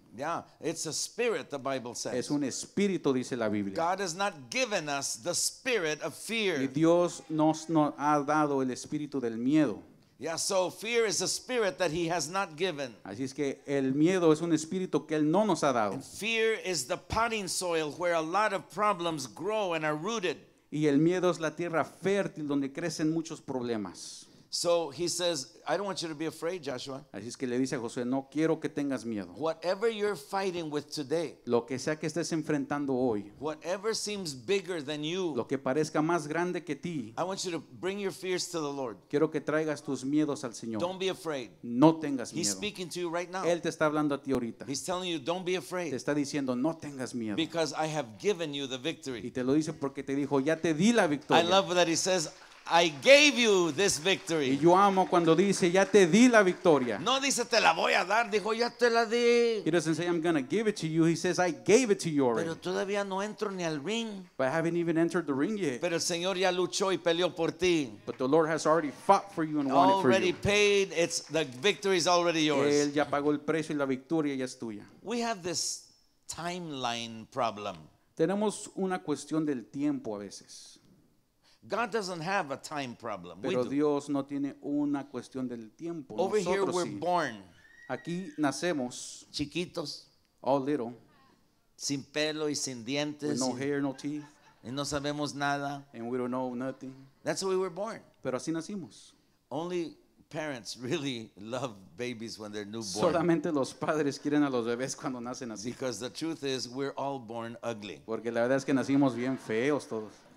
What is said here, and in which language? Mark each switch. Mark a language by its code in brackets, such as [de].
[en] Yeah, it's a spirit, the Bible says. [es] Es un espíritu, dice la Biblia. [en] God has not given us the spirit of fear. [es] Y Dios nos ha dado el espíritu del miedo. [en] Yeah, so fear is a spirit that he has not given. [es] Así es que el miedo es un espíritu que él no nos ha dado. [en] And fear is the potting soil where a lot of problems grow and are rooted. [es] Y el miedo es la tierra fértil donde crecen muchos problemas. [en] So he says, "I don't want you to be afraid, Joshua." [es] Así es que le dice a Josué, no quiero que tengas miedo. [en] Whatever you're fighting with today, [es] lo que sea que estés enfrentando hoy, [en] whatever seems bigger than you, [es] lo que parezca más grande que ti, [en] I want you to bring your fears to the Lord. [es] Quiero que traigas tus miedos al Señor. [en] Don't be afraid. [es] No tengas miedo. [en] He's speaking to you right now. [es] Él te está hablando a ti ahorita. [en] He's telling you, "Don't be afraid." [es] Te está diciendo, no tengas miedo. [en] Because I have given you the victory. [es] Y te lo dice porque te dijo, ya te di la victoria. [en] I love that he says, "I gave you this victory." [es] Y yo amo cuando dice, ya te di la victoria. No dice, "Te la voy a dar." Dijo, "Ya te la di." [en] He doesn't say, "I'm going to give it to you." He says, "I gave it to you already." [es] Pero todavía no entro ni al ring. [en] But I haven't even entered the ring yet. [es] Pero el Señor ya luchó y peleó por ti. [en] But the Lord has already fought for you and won it for you. Already paid. It's the victory is already yours. [es] Él ya pagó el precio y la victoria ya es tuya. [en] We have this timeline problem. [es] Tenemos una cuestión del tiempo a veces. [en] God doesn't have a time problem. [es] Pero Dios no tiene una cuestión del tiempo. [en] Over [es] nosotros [en] here we're [es] sí. [en] born. [es] Aquí nacemos. Chiquitos. [en] All little. [es] Sin pelo y sin dientes. [en] With no hair, no teeth. [es] Y no sabemos nada. [en] And we don't know nothing. That's how we were born. [es] Pero así nacimos. [en] Only parents really love babies when they're newborn. [es] Solamente los padres quieren a los bebés cuando nacen así. [en] Because the truth is, we're all born ugly. [es] Porque la verdad es que nacimos bien feos todos.